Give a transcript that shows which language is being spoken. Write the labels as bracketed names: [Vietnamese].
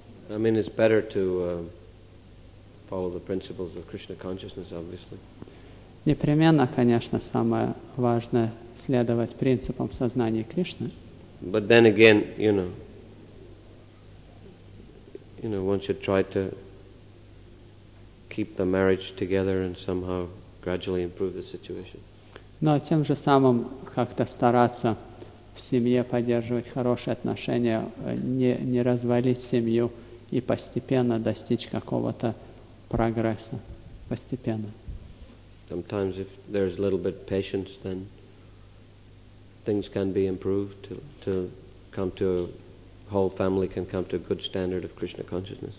[English] I mean, it's better to follow the principles of Krishna consciousness, obviously. [Russian] Непременно, конечно, самое важное следовать принципам сознания Кришны. [English] But then again, you know, one should try to keep the marriage together and somehow gradually improve the situation. [Russian] Но тем же самым как-то стараться в семье поддерживать хорошие отношения, не развалить семью. И постепенно достичь какого-то прогресса. Постепенно. [English] Sometimes if there's a little bit of patience, then things can be improved to come to whole family can come to a good standard of Krishna consciousness.